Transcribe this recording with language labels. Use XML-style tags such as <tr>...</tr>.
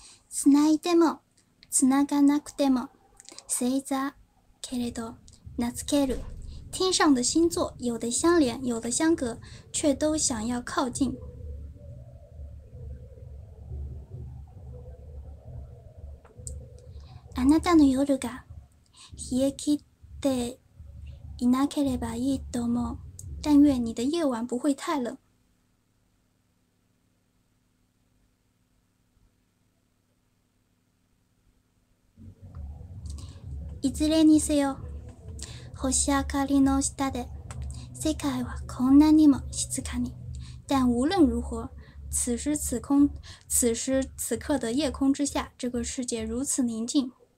<ja>つないでもつながなくても星座けれど名付ける。</ja> <zh>天上的星座，有的相连，有的相隔，却都想要靠近。</zh> <ja>あなたの夜が冷え切っていなければいいと思う。</ja> <zh>但愿你的夜晚不会太冷。</zh> <ja>いずれにせよ。星明かりの下で、世界はこんなにも静かに。</ja> <zh>但无论如何，此时此刻的夜空之下，这个世界如此宁静。</zh>